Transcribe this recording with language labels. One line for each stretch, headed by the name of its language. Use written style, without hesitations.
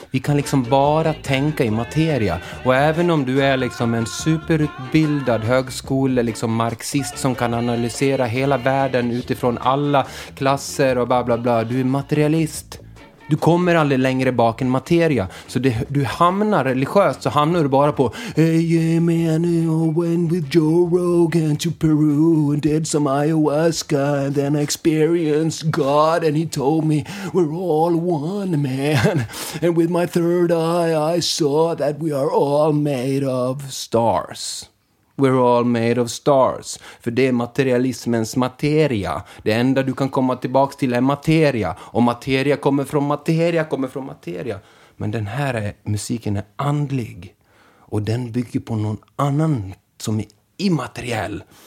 Swedish: Vi kan liksom bara tänka i materia. Och även om du är liksom en superutbildad högskole, liksom marxist som kan analysera hela världen utifrån alla klasser och bla bla bla, du är materialist. Du kommer aldrig längre bak än materia. Så det, du hamnar religiöst, så hamnar du bara på
English: hey, man, I went with Joe Rogan to Peru and did some ayahuasca and then I experienced God and he told me we're all one, man. And with my third eye I saw that we are all made of stars. We're all made of stars.
Swedish: För det är materialismens materia. Det enda du kan komma tillbaka till är materia. Och materia kommer från materia, kommer från materia. Men den här är, musiken är andlig. Och den bygger på någon annan som är immateriell.